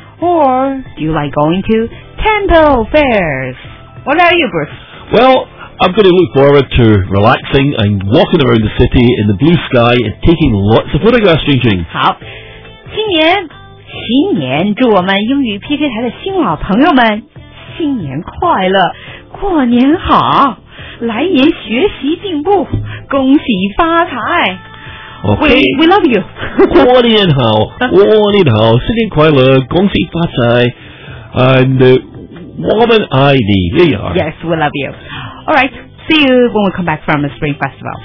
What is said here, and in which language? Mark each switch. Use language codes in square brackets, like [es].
[en] Or do you like going to temple fairs? What about you, Bruce? Well, I'm going to look forward to relaxing and walking around the city in the blue sky and taking lots of photographs, Jingjing. [zh] 好，新年，新年，祝我们英语 PK 台的新老朋友们新年快乐，过年好。来年学习进步，恭喜发财。 [en] Okay. We love you. [zh] 过年好，过年好，新年快乐，恭喜发财。 And 我们爱你 [en] Yes, we love you. All right, see you when we come back from the Spring Festival.